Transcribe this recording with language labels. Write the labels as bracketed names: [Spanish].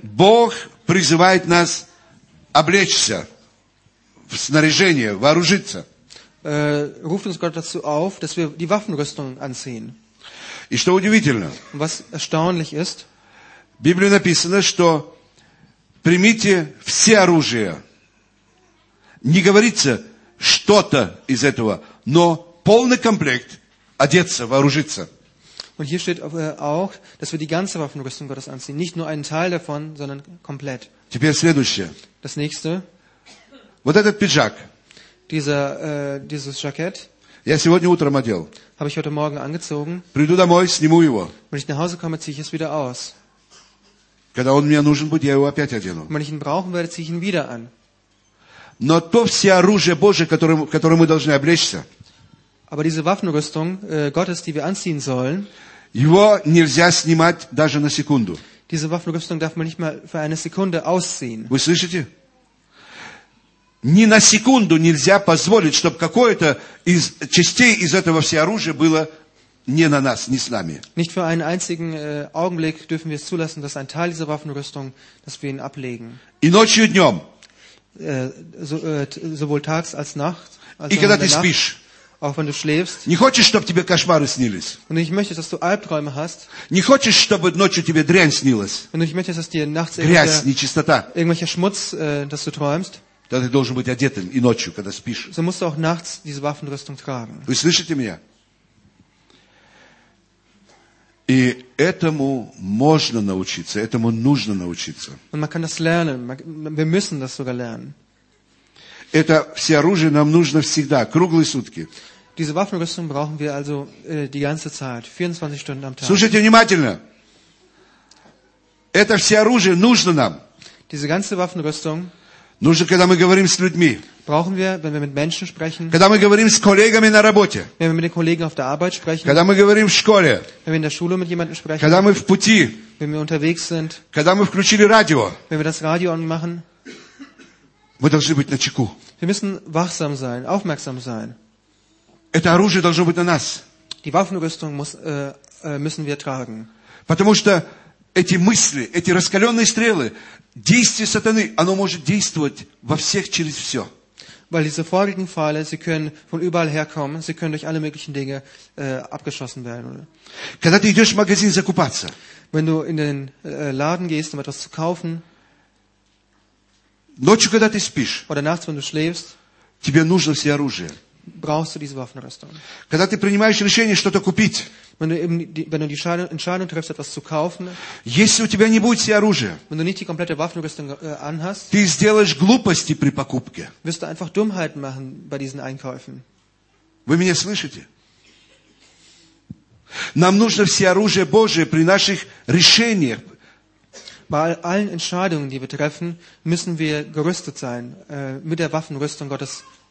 [Russian] Бог призывает нас облечься в снаряжение, вооружиться. [German] Ruft uns Gott dazu auf, dass wir die Waffenrüstung anziehen. [Russian] И что удивительно, [German] was erstaunlich ist, [Russian] в Библии написано, что примите все оружие. Не говорится что-то из этого, но полный комплект одеться, вооружиться. [German] Und hier steht auch, dass wir die ganze Waffenrüstung Gottes anziehen. Nicht nur einen Teil davon, sondern komplett. [Russian] Теперь следующее. [German] Das nächste. [Russian] Вот этот пиджак. [German] Dieses Jackett. [Russian] Я сегодня утром одел. [German] Habe ich heute Morgen angezogen. [Russian] Приду домой, сниму его. [German] Wenn ich nach Hause komme, ziehe ich es wieder aus. [Russian] Когда он мне нужен будет, я его опять одену. [German] Wenn ich ihn brauchen werde, ziehe ich ihn wieder an. [Russian] Но то все оружие Божие, которым мы должны облечься. [German] Aber diese Waffenrüstung Gottes, die wir anziehen sollen, [Russian] его нельзя снимать даже на секунду. [German] Diese Waffenrüstung darf man nicht mal für eine Sekunde ausziehen. [Russian] Вы слышите? Ни на секунду нельзя позволить, чтобы какое-то из частей из этого всеоружия было не на нас, не с нами. [German] Nicht für einen einzigen Augenblick dürfen wir es zulassen, dass ein Teil dieser Waffenrüstung, dass wir ihn ablegen. [Russian] И ночью, и днем. [German] Sowohl tags als nachts. [Russian] И когда ты спишь. [German] Auch wenn du schläfst. [Russian] Не хочешь, чтобы тебе кошмары снились. [German] Und ich möchte, dass du Albträume hast. [Russian] Не хочешь, чтобы ночью тебе дрянь снилась. [German] Und ich möchte, dass dir nachts [Russian] грязь, нечистота. [German] Irgendwelcher Schmutz, dass du träumst. [Russian] Да ты должен быть одетым и ночью, когда спишь. [German] So musst du auch nachts diese Waffenrüstung tragen. [Russian] Вы слышите меня? И этому можно научиться, этому нужно научиться. [German] Und man kann das lernen. Wir müssen das sogar lernen. [Russian] Это все оружие нам нужно всегда, круглые сутки. [German] Diese Waffenrüstung brauchen wir also die ganze Zeit, 24 Stunden am Tag. [Russian] Слушайте внимательно. Это все оружие нужно нам. [German] Diese ganze Waffenrüstung [Russian] нужно, когда мы говорим с людьми. [German] Brauchen wir, wenn wir mit Menschen sprechen. [Russian] Когда мы говорим с коллегами на работе. [German] Wenn wir mit den Kollegen auf der Arbeit sprechen. [Russian] Когда мы говорим в школе. [German] Wenn wir in der Schule mit jemandem sprechen. [Russian] Когда мы в пути. [German] Wenn wir unterwegs sind. [Russian] Когда мы включили радио. [German] Wenn wir das Radio anmachen. [Russian] Мы должны быть на чеку. [German] Wir müssen wachsam sein, aufmerksam sein. [Russian] Это оружие должно быть на нас. [German] Die Waffenrüstung müssen wir tragen. [Russian] Потому что эти мысли, эти раскаленные стрелы, действие сатаны, оно может действовать во всех через все. [German] Weil diese feurigen Pfeile, sie können von überall herkommen, sie können durch alle möglichen Dinge abgeschossen werden. [Russian] Когда ты идешь в магазин закупаться, [German] wenn du in den Laden gehst, um etwas zu kaufen, [Russian] ночью, когда ты спишь, [German] oder nachts, wenn du schläfst, [Russian] тебе нужно все оружие. [German] brauchst du diese Waffenrüstung. [Russian] Когда ты принимаешь решение что-то купить, [German] wenn du die Entscheidung triffst, etwas zu kaufen, [Russian] если у тебя не будет все оружия, [German] wenn du nicht die komplette Waffenrüstung anhast, [Russian] ты сделаешь глупости при покупке. [German] Wirst du einfach Dummheiten machen bei diesen Einkäufen. [Russian] Вы меня слышите? Нам нужно все оружие Божие при наших решениях. [German] Bei allen Entscheidungen, die wir treffen, müssen wir gerüstet sein, mit der Waffenrüstung Gottes.